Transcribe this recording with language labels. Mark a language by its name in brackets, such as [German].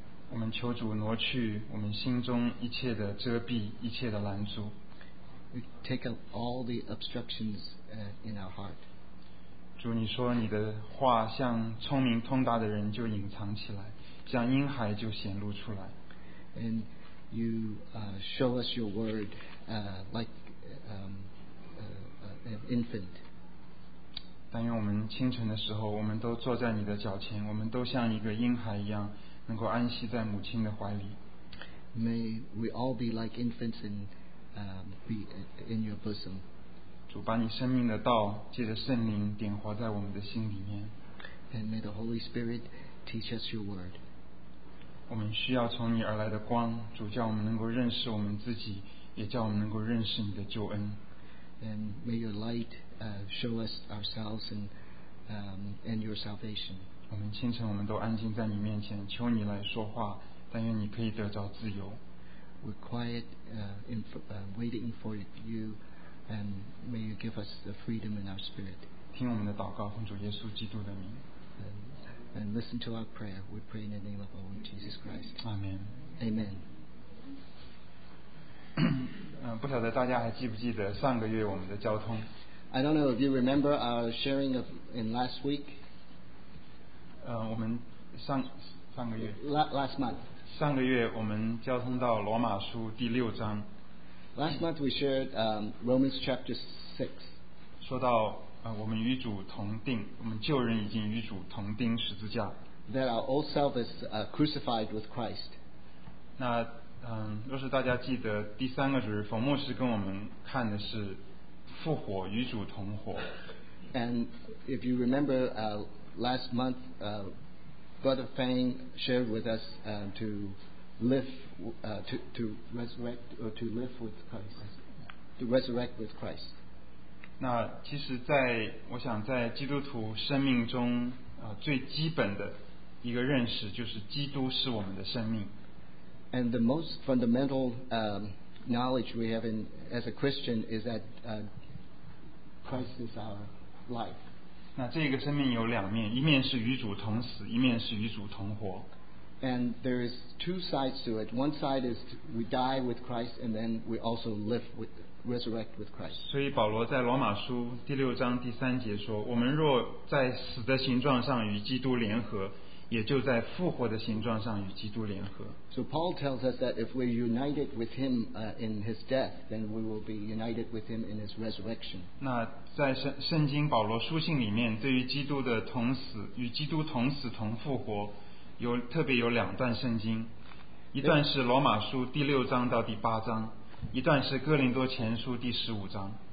[Chinese] 我们求主挪去我们心中一切的遮蔽，一切的拦阻。 [English] We take up all the obstructions in our heart. [Chinese] 主，你说你的话像聪明通达的人就隐藏起来，像婴孩就显露出来。 [English] And you show us your word like an infant. [Chinese] 但愿我们清晨的时候，我们都坐在你的脚前，我们都像一个婴孩一样，能够安息在母亲的怀里。 [English] May we all be like infants in. Be in your bosom. [Chinese] 主，把你生命的道借着圣灵点活在我们的心里面。 [English] And may the Holy Spirit teach us your word. [Chinese] 我们需要从你而来的光，主，叫我们能够认识我们自己，也叫我们能够认识你的救恩。 [English] And may your light show us ourselves and your salvation. [Chinese] 我们清晨我们都安静在你面前，求你来说话，但愿你可以得着自由。 [English] We're quiet, waiting for you, and may you give us the freedom in our spirit. [Chinese] 听我们的祷告，奉主耶稣基督的名。 [English] And listen to our prayer. We pray in the name of our Lord Jesus Christ. Amen. Amen. [Chinese] 不晓得大家还记不记得上个月我们的交通？ [English] I don't know if you remember our sharing of in last week. [Chinese] 我们上个月。 [English] Last month. [Chinese] 上个月我们交通到罗马书第六章。 [English] Last month we shared Romans chapter 6. [Chinese] 说到我们与主同钉，我们旧人已经与主同钉十字架。 [English] That our old self is crucified with Christ. [Chinese] 那若是大家记得第三个主日，冯牧师跟我们看的是复活与主同活。 [English] And if you remember last month, Brother Fang shared with us to resurrect with Christ. [Chinese] 那其实在我想在基督徒生命中最基本的一个认识就是基督是我们的生命。 [English] And the most fundamental knowledge we have in as a Christian is that Christ is our life. [Chinese] 那这个生命有两面，一面是与主同死，一面是与主同活。 [English] And there is two sides to it. One side is we die with Christ, and then we also live with, resurrect with Christ. [Chinese] 所以保罗在罗马书第六章第三节说：“我们若在死的形状上与基督联合。” 也就在复活的形状上与基督联合。 [English] So Paul tells us that if we're united with him in his death, then we will be united with him in his resurrection. [Chinese] 那在圣经保罗书信里面，对于基督的同死与基督同死同复活，有特别有两段圣经，一段是罗马书第六章到第八章，一段是哥林多前书第十五章。